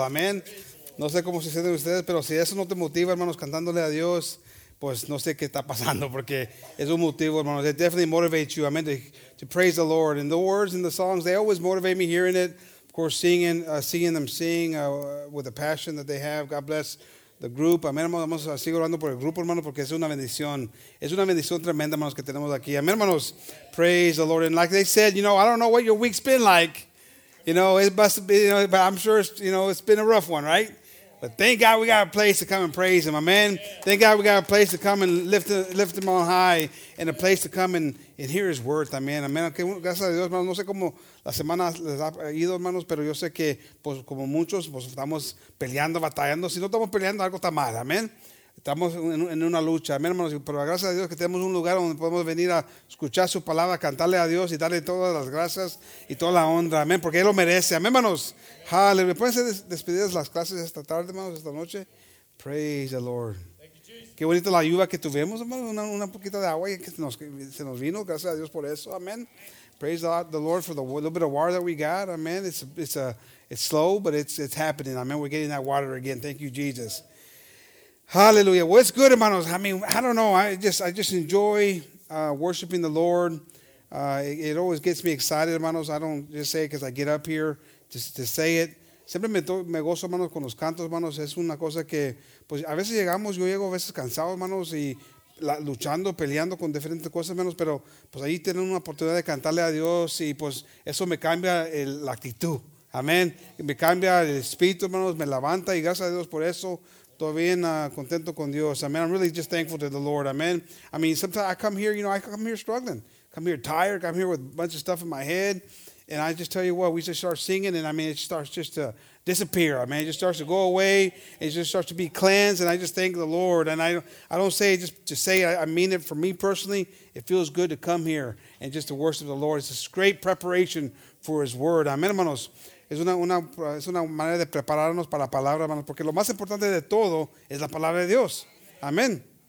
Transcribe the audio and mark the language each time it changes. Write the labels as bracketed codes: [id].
[es] Amen. No sé cómo se sienten ustedes, pero si eso no te motiva, hermanos, cantándole a Dios, pues no sé qué está pasando, porque es un motivo, hermanos. [en] It definitely motivates you. Amen. To praise the Lord. And the words and the songs, they always motivate me hearing it. Of course, seeing them sing with the passion that they have. God bless the group. [es] Amén, hermanos, vamos a seguir orando por el grupo, hermanos, porque es una bendición tremenda, hermanos, que tenemos aquí. Amén, hermanos, [en] praise the Lord. And like they said, you know, I don't know what your week's been like, you know, it must be, you know, but I'm sure, it's, you know, it's been a rough one, right? But thank God we got a place to come and praise him, amen. Thank God we got a place to come and lift him on high, and a place to come and hear his word, amen, amen. [es] Okay, gracias a Dios, hermanos, no sé cómo la semana les ha ido, hermanos, pero yo sé que, pues, como muchos, pues, estamos peleando, batallando. Si no estamos peleando, algo está mal, amén. Estamos en una lucha, amén, hermanos. Pero gracias a Dios que tenemos un lugar donde podemos venir a escuchar su palabra, cantarle a Dios y darle todas las gracias y toda la honra, amén, porque Él lo merece, amén, hermanos. Hallelujah. ¿Pueden ser despedidas las clases esta tarde, hermanos, esta noche? [en] Praise the Lord. [es] Qué bonita la lluvia que tuvimos, hermanos, una poquita de agua que se nos vino, gracias a Dios por eso, amén. [en] Praise the Lord for the little bit of water that we got. Amen. It's slow, but it's happening. Amen. We're getting that water again. Thank you, Jesus. Hallelujah. Well, it's good, hermanos. I mean, I don't know. I just enjoy worshiping the Lord. It always gets me excited, hermanos. I don't just say it because I get up here to say it. [es] Siempre me gozo, hermanos, con los cantos, hermanos. Es una cosa que, pues, a veces llegamos. Yo llego a veces cansado, hermanos, y luchando, peleando con diferentes cosas, hermanos, pero pues ahí tienen una oportunidad de cantarle a Dios y pues eso me cambia la actitud, amén, me cambia el espíritu, hermanos, me levanta y gracias a Dios por eso, todo bien, contento con Dios, amén. [en] I'm really just thankful to the Lord, amén. I mean, sometimes I come here, you know, I come here struggling, come here tired, come here with a bunch of stuff in my head, and I just tell you what, we just start singing and I mean, it starts just to disappear, amén, it just starts to go away, it just starts to be cleansed, and I just thank the Lord, and I don't say it just to say it, I mean it for me personally, it feels good to come here and just to worship the Lord. It's a great preparation for his word, amén, hermanos, [es] es una manera de prepararnos para la palabra, hermanos, porque lo más importante de todo es la palabra de Dios, amén.